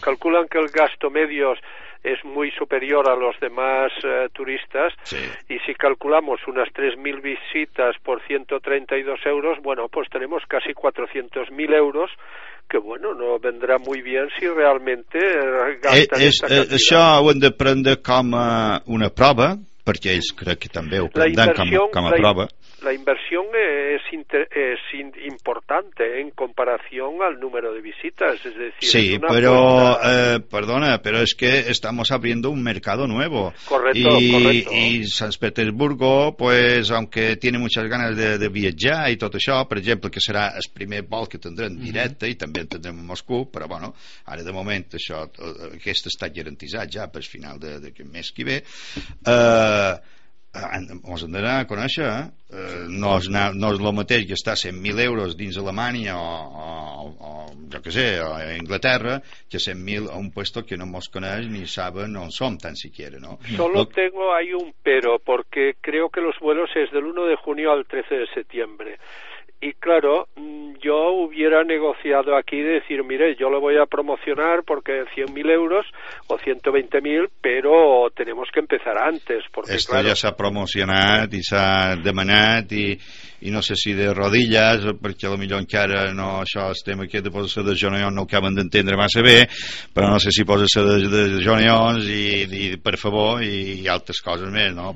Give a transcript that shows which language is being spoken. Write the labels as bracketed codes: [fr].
[es] Calculen que el gasto medios es muy superior a los demás turistas, sí. Y si calculamos unas 3.000 visitas por 132 euros, bueno, pues tenemos casi 400.000 euros, que bueno, no vendrá muy bien si realmente gastan esta cantidad. [ca] Això ho hem de prendre com a una prova, perquè ells crec que també ho prendran com a prova. [es] La inversión es importante en comparación al número de visitas, es decir... Sí, pero, perdona, pero es que estamos abriendo un mercado nuevo. Correcto, Y San Petersburgo, pues, aunque tiene muchas ganas de viatjar y todo eso, por ejemplo, que será el primer vol que tendrán en directo, y también tendrán en Moscú, pero bueno, ahora de momento eso, esto está garantizado ya para el final de que mes que ve... [ca] ens hem d'anar a conèixer, no és el mateix que estar 100.000 euros dins Alemanya o jo què sé, a Anglaterra, que 100.000 a un puesto que no mos coneix ni saben on som tan siquiera, no? [es] Solo tengo ahí un pero, porque creo que los vuelos es del 1 de junio al 13 de septiembre, Y claro, yo hubiera negociado aquí de decir, mire, yo lo voy a promocionar porque 100.000 euros o 120.000, pero tenemos que empezar antes. Porque, esto claro, ya se ha promocionado y se ha demanado y no sé si de rodillas, porque a lo mejor [ca] encara no, això, el tema aquest de posar-se de genollons no ho acaben d'entendre massa bé, però no sé si posar-se de genollons i per favor i altres coses més, no?